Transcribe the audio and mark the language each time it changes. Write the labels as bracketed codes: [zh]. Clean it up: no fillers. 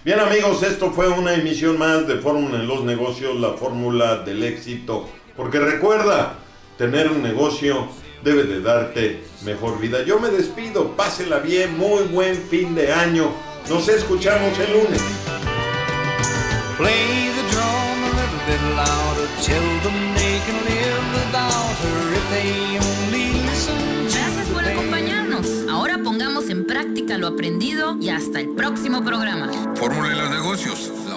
[es] Bien, amigos, esto fue una emisión más de Fórmula en los Negocios, la fórmula del éxito. Porque recuerda, tener un negocio debe de darte mejor vida. Yo me despido. Pásela bien. Muy buen fin de año. Nos escuchamos el lunes. [en] Play the drum a little bit louder. Tell them they can live without her if they only listen. [es] Gracias por acompañarnos. Ahora pongamos en práctica lo aprendido y hasta el próximo programa. Fórmula en los Negocios.